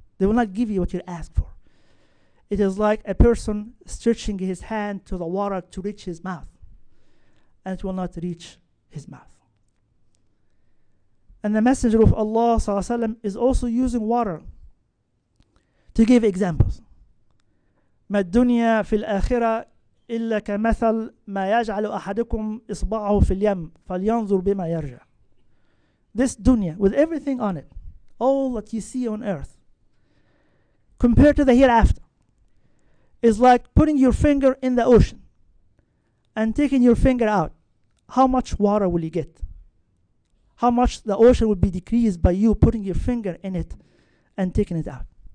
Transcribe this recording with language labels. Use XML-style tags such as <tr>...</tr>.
<en>They will not give you what you ask for. It is like a person stretching his hand to the water to reach his mouth, and it will not reach his mouth. And the Messenger of Allah sallallahu alaihi wasallam is also using water to give examples.</en> <ar>ما الدنيا في الآخرة إلا كمثل ما يجعل أحدكم إصبعه في اليم فلينظر بما يرجع.</ar> <en>This dunya, with everything on it, all that you see on earth, compared to the hereafter, is like putting your finger in the ocean and taking your finger out. How much water will you get? How much the ocean will be decreased by you putting your finger in it and taking it out?</en>